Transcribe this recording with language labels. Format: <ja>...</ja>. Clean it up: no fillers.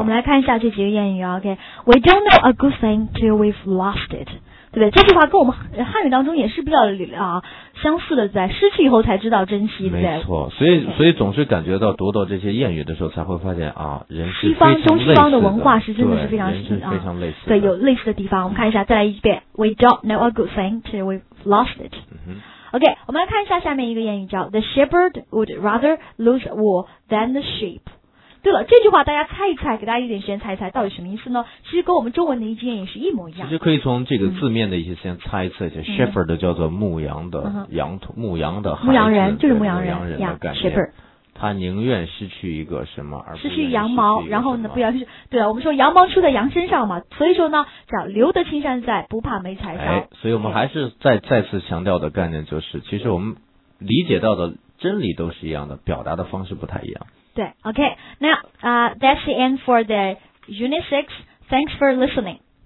<zh>我们来看一下这几个谚语 ，OK?</zh> <en>We don't know a good thing till we've lost it,</en> <zh>对不对？这句话跟我们汉语当中也是比较相似的，在失去以后才知道珍惜，对不对？没错，所以总是感觉到读到这些谚语的时候，才会发现啊，人是非常类似的，西方中西方的文化是真的是非常非常类似的，对，有类似的地方。我们看一下，再来一遍</zh> <en>，We don't know a good thing till we've lost it、OK,</en> <zh>我们来看一下下面一个谚语叫</zh> <en>The shepherd would rather lose wool than the sheep.</en> <zh>对了，这句话大家猜一猜，给大家一点时间猜一猜到底什么意思呢？其实跟我们中文的一句谚语是一模一样。其实可以从这个字面的一些先猜一猜一下、shepherd 叫做牧羊的羊驼，牧羊的牧羊人，就是牧羊人，牧羊人的概念。</zh> <en>Shepherd.</en> <zh>他宁愿失去一个什么而不失去羊毛，然后呢不要去，对啊，我们说羊毛出在羊身上嘛，所以说呢叫留得青山在，不怕没柴烧、所以我们还是再次强调的概念就是，其实我们理解到的真理都是一样的，表达的方式不太一样。</zh> <en>对， OK, now that's the end for the Unit 6. Thanks for listening.</en>